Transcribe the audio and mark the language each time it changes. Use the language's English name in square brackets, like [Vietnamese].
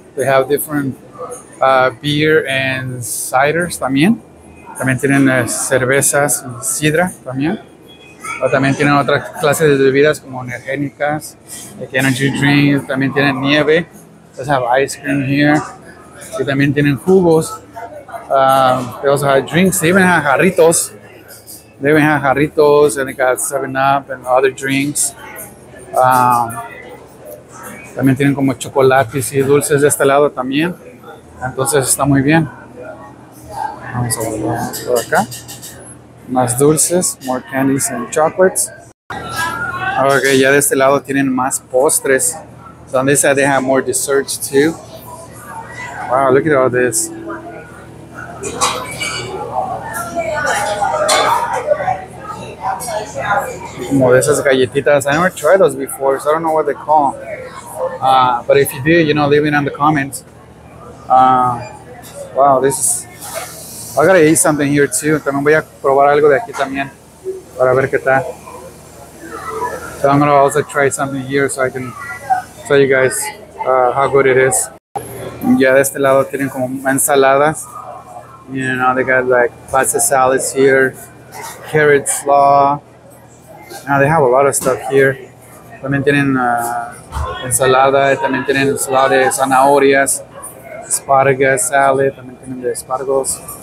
[English] They have different beer and ciders [Spanish] también tienen cervezas y sidra también, o también tienen otras clases de bebidas como energéticas, [English] like energy drinks. [Spanish] También tienen nieve, [English] they have ice cream here, [Spanish] y también tienen jugos. [English] They also have drinks, they even have jarritos. They even have jarritos, and they got 7-Up and other drinks. [Spanish] También tienen como chocolates y dulces de este lado también. Entonces está muy bien. Vamos a volver por acá. Más dulces, [English] more candies and chocolates. [Spanish] Ok, ya de este lado tienen más postres. [English] So on this side they have more desserts too. Wow, look at all this. [Spanish] Como de esas galletitas. [English] I never tried those before, so I don't know what they call. But if you do, you know, leave it in the comments. Wow, this is... I gotta eat something here too. [Spanish] También voy a probar algo de aquí también para ver qué tal. [English] So I'm gonna also try something here so I can tell you guys how good it is. [Spanish] Ya de este lado tienen como ensaladas. [English] You know, they got like pasta salads here, carrot slaw. Now they have a lot of stuff here. [Spanish] También tienen ensalada, también tienen ensalada de zanahorias, [English] asparagus salad, [Spanish] también tienen de espargos.